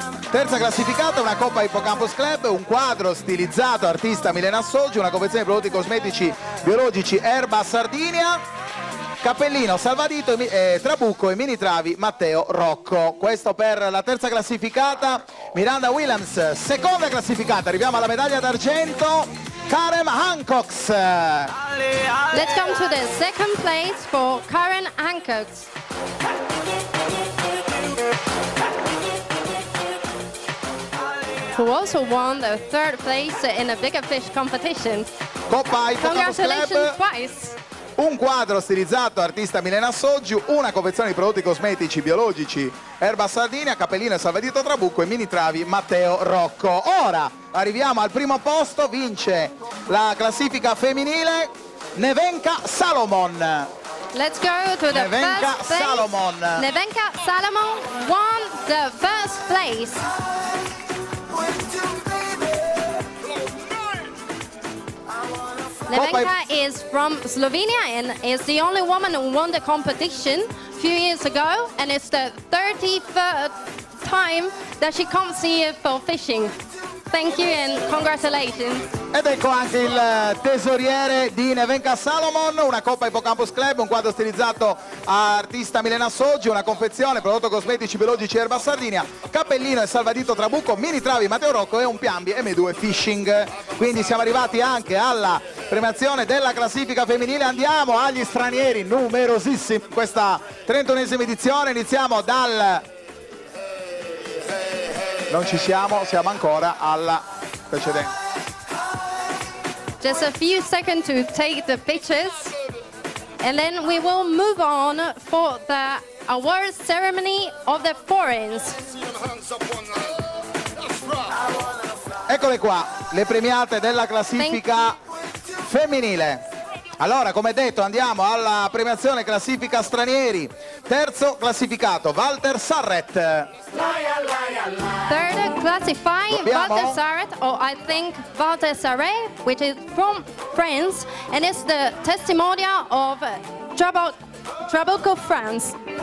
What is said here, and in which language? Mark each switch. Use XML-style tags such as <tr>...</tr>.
<it>Terza classificata, una Coppa Hippocampus Club, un quadro stilizzato, artista Milena Soggi, una confezione di prodotti cosmetici biologici Erba Sardinia, cappellino salvadito, Trabucco e mini travi Matteo Rocco. Questo per la terza classificata, Miranda Williams. Seconda classificata, arriviamo alla medaglia d'argento, Karen Hancocks.</it> <en>Let's come to the second place for Karen Hancocks. Who also won the third place in a bigger fish competition.</en> <it>Coppa Hippocampus Club,</it> <en>twice.</en> <it>Un quadro stilizzato, artista Milena Soggiu, una confezione di prodotti cosmetici biologici Erba Sardinia, cappellino e salvadito Trabucco e mini travi Matteo Rocco. Ora arriviamo al primo posto, vince la classifica femminile Nevenka Salomon.</it> <en>Let's go to the Nevenka first place. Salomon. Nevenka Salomon won the first place. Nevenka is from Slovenia and is the only woman who won the competition a few years ago, and it's the 33rd time that she comes here for fishing. Thank you and congratulations.</en> <it>Ed ecco anche il tesoriere di Nevenka Salomon, una Coppa Hippocampus Club, un quadro stilizzato a artista Milena Soggi, una confezione, prodotto cosmetici biologici Erba Sardinia, cappellino e salvadito Trabucco, mini travi Matteo Rocco e un Piambi M2 Fishing. Quindi siamo arrivati anche alla premiazione della classifica femminile. Andiamo agli stranieri, numerosissimi in questa 31esima edizione. Iniziamo dal... Non ci siamo, siamo ancora alla precedente.</it> <en>Just a few seconds to take the pictures and then we will move on for the awards ceremony of the foreigners.</en> <it>Eccole qua, le premiate della classifica femminile. Allora, come detto, andiamo alla premiazione classifica stranieri. Terzo classificato, Walter Sarret.</it> <en>Third classified, Walter Sarret, or I think Walter Sarret, which is from France, and it's the testimonial of Trabucco France.</en>